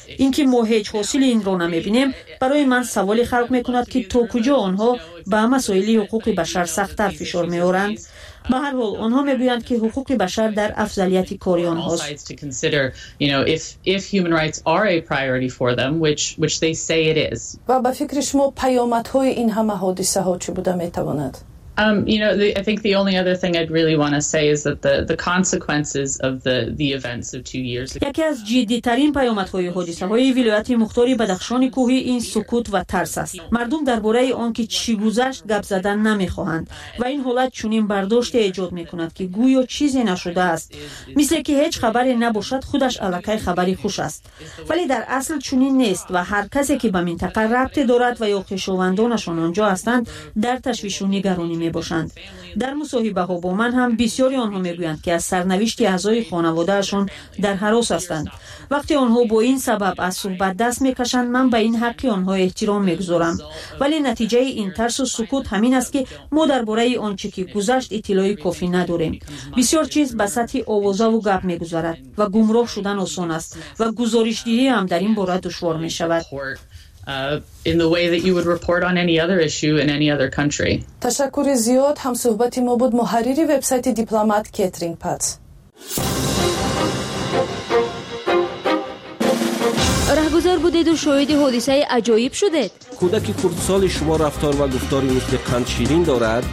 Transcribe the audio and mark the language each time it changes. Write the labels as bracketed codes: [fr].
[fa] اینکه ما هیچ حاصل این را نمی بینیم برای من سوالی خلق می کند که تا کجا آنها به مسائل حقوق بشر سختتر فشار می آورند. به هر حال آنها می گویند که حقوق بشر در افضلیت کاری آنهاست. و به فکر شما پیامدهای این همه حادثه ها چی بوده می تواند؟ [en] I think the only other thing I'd really want to say is that the consequences of the events of 2 years ago. [fa] یکی از جدی‌ترین پیامدهای حادثه‌های ولایت مختار بدخشان کوهی این سکوت و ترس است. مردم درباره آن که چی گذشت گپ زدن نمی‌خواهند و این حالت چنین برداشت ایجاد می‌کند که گویا چیزی نشده است. مثل که هیچ خبری نباشد خودش علاقه خبری خوش است. ولی در اصل چنین نیست و هر کسی که به منطقه ربط دارد و یا خویشاوندانشان آنجا هستند در تشویش و نگرانی می باشند. در مصاحبه ها با من هم بسیاری آنها می گویند که از سرنوشت اعضای خانواده اشون در هراس هستند. وقتی آنها با این سبب از صحبت دست می کشند، من به این حقی آنها احترام می گذارم. ولی نتیجه این ترس و سکوت همین است که ما درباره آنچه که گذشت اطلاعی کافی نداریم. بسیار چیز به سطح آوازه و گپ می گذارد و گمراه شدن آسان است و گزارش دهی هم در این باره دشوار می شود. [en] In the way that you would report on any other issue in any other country. [fa] تشکر زیاد. هم صحبتی ما بود محرری وبسایت دیپلمات کترینگ پات. راهگذار بودید و شاهد حادثه عجایب شدید؟ کودکی کوردسال شما رفتار و گفتاری مثل قند شیرین دارد؟